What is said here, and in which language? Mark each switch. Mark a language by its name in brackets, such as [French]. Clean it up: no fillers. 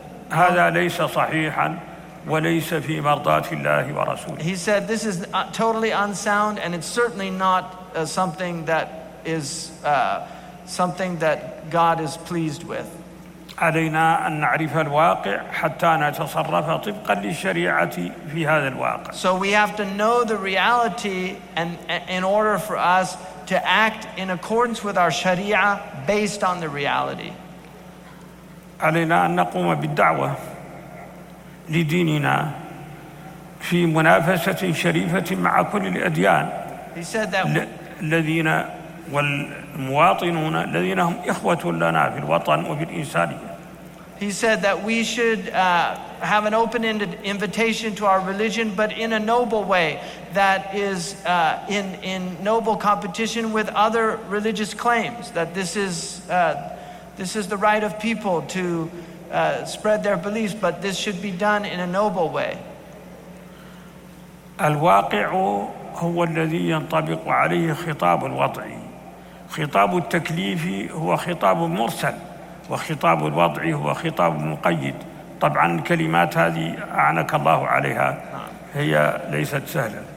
[Arabic] هذا ليس صحيحا وليس في مرضات الله ورسوله. [English] He said this is totally unsound and it's certainly not something that is something that God is pleased with. [Arabic] علينا أن نعرف الواقع حتى نتصرف طبقا للشريعة في هذا الواقع. [English] So we have to know the reality and in order for us to act in accordance with our Sharia based on the reality. [Arabic] علينا أن نقوم بالدعوة لديننا في منافسة شريفة مع كل الأديان. [English] He said that [Arabic] الذين والمواطنون الذين هم إخوة لنا في الوطن وفي الإنسانية. [English] He said that we should have an open-ended invitation to our religion, but in a noble way that is in noble competition with other religious claims, that this is the right of people to spread their beliefs, but this should be done in a noble way. [Arabic] الواقع هو الذي ينطبق عليه خطاب الوضعي. خطاب التكليف هو خطاب مرسل، وخطاب الوضع هو خطاب مقيد. طبعا الكلمات هذه أعانك الله عليها هي ليست سهلة.